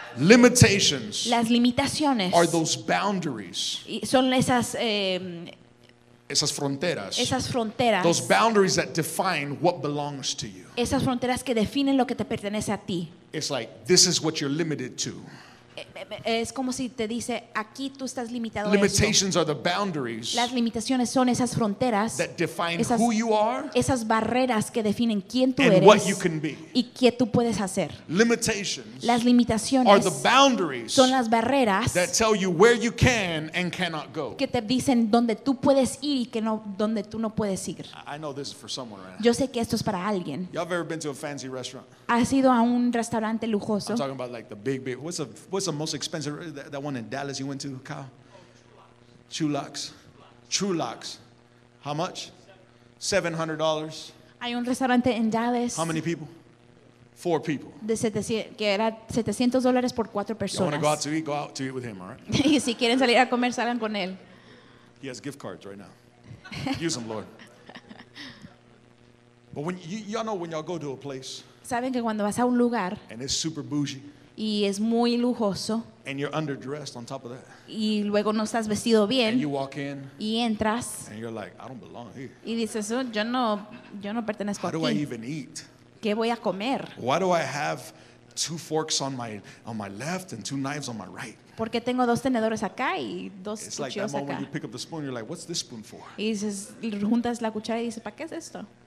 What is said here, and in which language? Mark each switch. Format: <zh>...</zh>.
<en>Limitations,</en> <es>las limitaciones,</es> <en>are those boundaries.</en> <es>Y son esas esas fronteras,</es> <en>those boundaries that define what belongs to you.</en> <es>Esas fronteras que definen lo que te pertenece a ti.</es> <en>It's like this is what you're limited to.</en> <es>Es como si te dice aquí tú estás limitado.</es> <en>Limitations are the boundaries.</en> <es>Las limitaciones son esas fronteras.</es> <en>That define who you are.</en> <es>Esas barreras que definen quién tú eres.</es> <en>And what you can be.</en> <es>Y qué tú puedes hacer.</es> <en>Limitations.</en> <es>Las limitaciones.</es> <en>Are the boundaries.</en> <es>Son las barreras.</es> <en>That tell you where you can and cannot go.</en> <es>Que te dicen dónde tú puedes ir y que no dónde tú no puedes ir.</es> <en>I know this is for someone right now.</en> <es>Yo sé que esto es para alguien.</es> <en>Y'all have ever been to a fancy restaurant?</en> <es>¿Has ido a un restaurante lujoso?</es> <en>I'm talking about like the big. What's the most expensive that one in Dallas you went to, Kyle? Chulox. Chulox. How much? $700.</en> <es>Hay un restaurante en Dallas.</es> <en>How many people? 4 people.</en> <es>De 700 que era $700 por 4 personas.</es> <en>You want to go out to eat? Go out to eat with him, all right?</en> <es>Y si quieren salir a comer, salgan con él.</es> <en>He has gift cards right now. Use them, Lord. But when y'all know when y'all go to a place.</en> <es>Saben que cuando vas a un lugar.</es> <en>And it's super bougie.</en> <es>Y es muy lujoso.</es> <en>And you're underdressed on top of that.</en> <es>Y luego no estás vestido bien.</es> <en>And you walk in.</en> <es>Y entras.</es> <en>And you're like, I don't belong here.</en> <es>Y dices, yo no pertenezco aquí.</es> <en>How do I even eat?</en> <es>¿Qué voy a comer?</es> <en>Why do I have two forks on my left and two knives on my right?</en> <es>Porque tengo dos tenedores acá y dos cuchillos acá.</es> <en>It's like that moment you pick up the spoon, you're like, what's this spoon for?</en> <es>Y dices, juntas la cuchara y dices, ¿para qué es esto?</es>